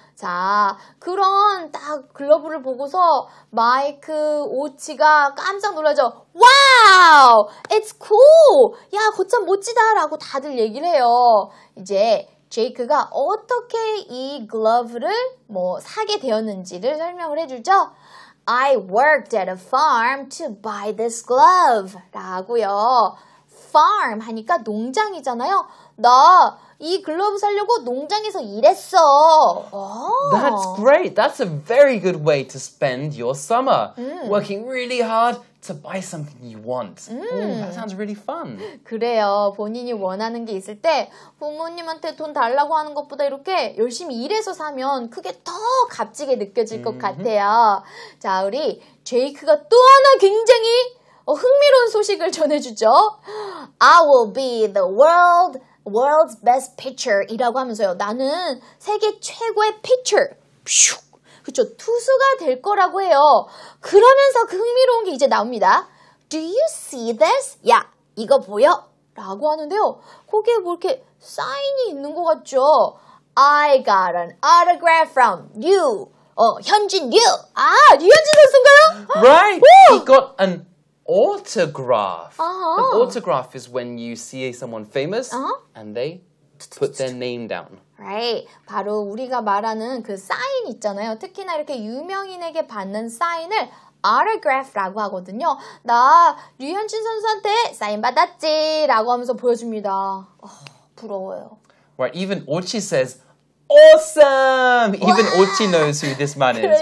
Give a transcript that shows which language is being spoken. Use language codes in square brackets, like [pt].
[ko] 자, 그런 딱 글러브를 보고서 마이크, 오치가 깜짝 놀라죠. 와우! [en] It's cool! [ko] 야, 거참 멋지다! 라고 다들 얘기를 해요. 이제 제이크가 어떻게 이 글러브를 뭐 사게 되었는지를 설명을 해주죠. [en] I worked at a farm to buy this glove. [ko] 라고요. Farm 하니까 농장이잖아요. 나 이 글러브 사려고 농장에서 일했어. [en] That's great. That's a very good way to spend your summer. Working really hard to buy something you want. That sounds really fun. [ko] 그래요. 본인이 원하는 게 있을 때 부모님한테 돈 달라고 하는 것보다 이렇게 열심히 일해서 사면 그게 더 값지게 느껴질 것 같아요. 자, 우리 제이크가 또 하나 굉장히 흥미로운 소식을 전해주죠. [en] I will be the world's best pitcher [ko] 이라고 하면서요. 나는 세계 최고의 pitcher. 그렇죠. 투수가 될 거라고 해요. 그러면서 그 흥미로운 게 이제 나옵니다. [en] Do you see this? [ko] 야, 이거 보여? 라고 하는데요. 거기에 뭐 이렇게 사인이 있는 것 같죠. [en] I got an autograph from you. 현진 류. [ko] 아, 류현진 선수인가요? [en] Right. He got an autograph. An autograph is when you see someone famous and they put their name down. Right. [ko] 바로 우리가 말하는 그 사인 있잖아요. 특히나 이렇게 유명인에게 받는 사인을 autograph라고 하거든요. 나 류현진 선수한테 사인 받았지 라고 하면서 보여줍니다. 부러워요. [en] Right. Even Ochi says, Awesome! Even Ochi knows who this man is,